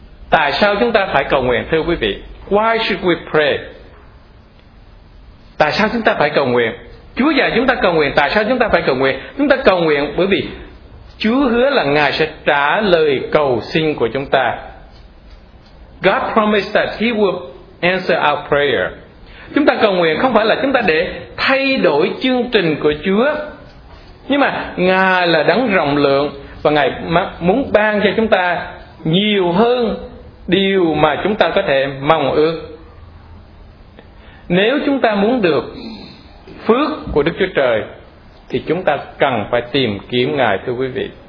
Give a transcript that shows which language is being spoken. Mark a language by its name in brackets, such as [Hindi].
[Vietnamese] Tại sao chúng ta phải cầu nguyện thưa quý vị? [English] Why should we pray? [Vietnamese] Tại sao chúng ta phải cầu nguyện? Chúa dạy chúng ta cầu nguyện, tại sao chúng ta phải cầu nguyện? Chúng ta cầu nguyện bởi vì Chúa hứa là Ngài sẽ trả lời cầu xin của chúng ta. [English] God promised that He will answer our prayer. [Vietnamese] Chúng ta cầu nguyện không phải là chúng ta để thay đổi chương trình của Chúa, nhưng mà Ngài là đấng rộng lượng và Ngài muốn ban cho chúng ta nhiều hơn điều mà chúng ta có thể mong ước. Nếu chúng ta muốn được phước của Đức Chúa Trời thì chúng ta cần phải tìm kiếm Ngài, thưa quý vị.